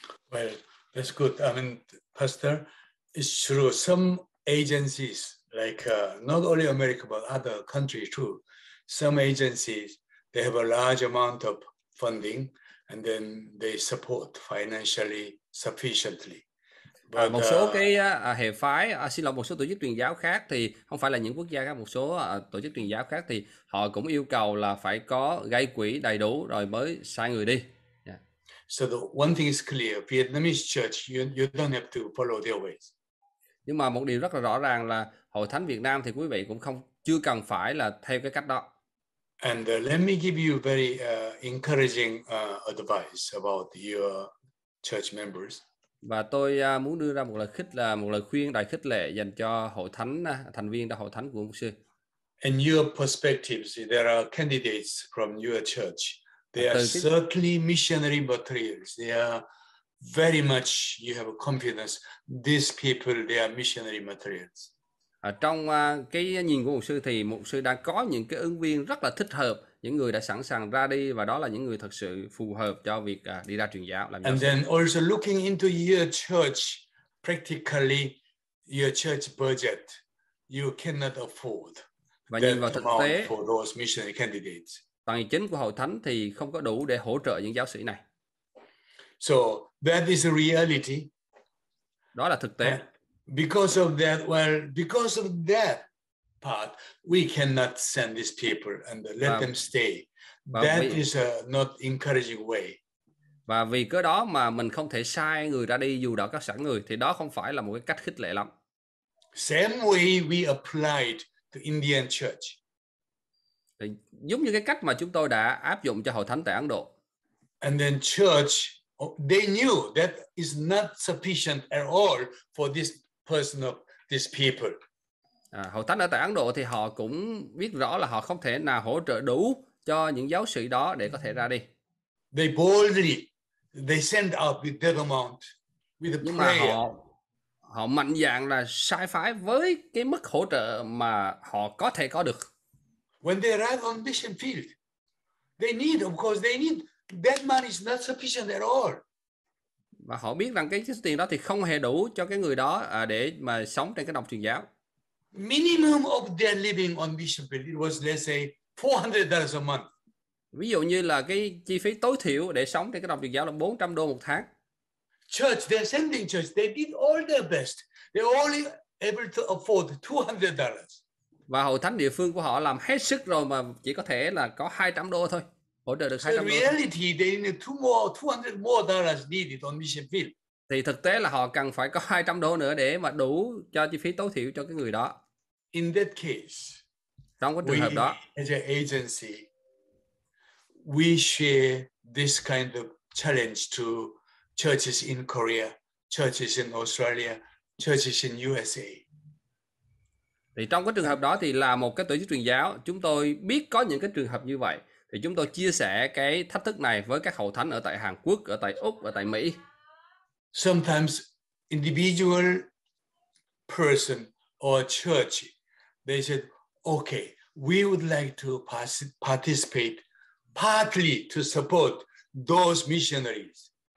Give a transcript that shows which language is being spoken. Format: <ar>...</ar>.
<en>Well, that's good. I mean, Pastor, it's true. Some agencies, like not only America but other countries too, some agencies, they have a large amount of funding, and then they support financially sufficiently. But,</en> <vi>một số cái hệ phái, xin lỗi, một số tổ chức truyền giáo khác thì không phải là những quốc gia khác, một số tổ chức truyền giáo khác thì họ cũng yêu cầu là phải có gây quỹ đầy đủ rồi mới sai người đi.</vi> <en>Yeah. So the one thing is clear, Vietnamese church, you don't have to follow their ways.</en> <vi>Nhưng mà một điều rất là rõ ràng là Hội Thánh Việt Nam thì quý vị cũng chưa cần phải là theo cái cách đó.</vi> <en>And let me give you very encouraging advice about your church members.</en> <vi>Và tôi muốn đưa ra một lời khuyên đầy khích lệ dành cho hội thánh thành viên trong hội thánh của mục sư.</vi> <en>In your perspectives, there are candidates from your church. They are certainly missionary materials. They are very much, you have a confidence, these people, they are missionary materials.</en> <vi>Trong cái nhìn của mục sư thì mục sư đang có những cái ứng viên rất là thích hợp, những người đã sẵn sàng ra đi, và đó là những người thật sự phù hợp cho việc đi ra truyền giáo.</vi> <en>And then also looking into your church, practically your church budget, you cannot afford</en> <vi>và nhìn vào thực tế,</vi> <en>for those missionary candidates.</en> <vi>Tài chính của hội thánh thì không có đủ để hỗ trợ những giáo sĩ này.</vi> <en>So that is a reality.</en> <vi>Đó là thực tế.</vi> <en>And Because of that part, we cannot send these people and let them stay. is a not encouraging way.</en> <vi>Và vì cớ đó mà mình không thể sai người ra đi dù đã có sẵn người, thì đó không phải là một cái cách khích lệ lắm.</vi> <en>Same way we applied to Indian church.</en> <vi>Giống như cái cách mà chúng tôi đã áp dụng cho hội thánh tại Ấn Độ.</vi> <en>And then church, they knew that is not sufficient at all for this person of this people.</en> <vi>À, hội thánh ở tại Ấn Độ thì họ cũng biết rõ là họ không thể nào hỗ trợ đủ cho những giáo sĩ đó để có thể ra đi.</vi> <en>They boldly, they send out with devamount, with a prayer.</en> <vi>Nhưng mà họ mạnh dạn là sai phái với cái mức hỗ trợ mà họ có thể có được.</vi> <en>When they arrive on mission field, they need, of course, they need that money is not sufficient at all.</en> <vi>Và họ biết rằng cái số tiền đó thì không hề đủ cho cái người đó để mà sống trên cái đồng truyền giáo.</vi> <en>Minimum of their living on mission field, it was, let's say, $400 a month.</en> <vi>Ví dụ như là cái chi phí tối thiểu để sống trên cái đồng truyền giáo là $400 một tháng.</vi> <en>Church, they're sending church. They did all their best. They only able to afford $200.</en> <vi>Và hội thánh địa phương của họ làm hết sức rồi mà chỉ có thể là có $200 thôi. Hỗ trợ được $200.</vi> <en>So in reality, they need $200 more needed on mission field.</en> <vi>Thì thực tế là họ cần phải có $200 nữa để mà đủ cho chi phí tối thiểu cho cái người đó.</vi> <en>In that case,</en> <vi>trong cái trường hợp đó,</vi> <en>as an agency, we share this kind of challenge to churches in Korea, churches in Australia, churches in USA.</en> <vi>Thì trong cái trường hợp đó thì là một cái tổ chức truyền giáo, chúng tôi biết có những cái trường hợp như vậy, thì chúng tôi chia sẻ cái thách thức này với các hội thánh ở tại Hàn Quốc, ở tại Úc, ở tại Mỹ.</vi> <en>Sometimes individual person or church, they said, okay, we would like to participate partly to support those missionaries.</en>